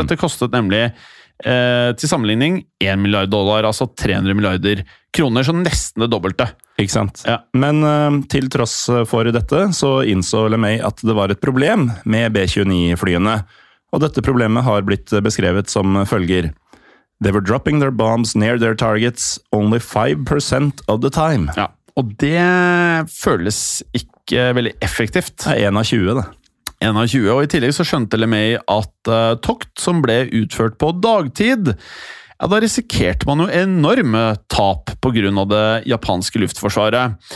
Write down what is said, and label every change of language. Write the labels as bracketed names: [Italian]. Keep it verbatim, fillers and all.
[Norwegian] dette kostet nemlig eh, til sammenligning en milliard dollar, altså tre hundre milliarder kroner, så nesten det dobbelte. Ikke sant? Ja. Men eh, til tross for dette så innså LeMay at det var et problem med B tjueni-flyene. Og dette problemet har blitt beskrevet som følger. [English] They were dropping their bombs near their targets only five percent of the time. [Norwegian] Ja. Og det føles ikke veldig effektivt. Det er en av tjue, det. en av tjue, og i tillegg så skjønte LeMay at uh, tokt som ble utført på dagtid, ja, da risikerte man jo enorme tap på grunn av det japanske luftforsvaret.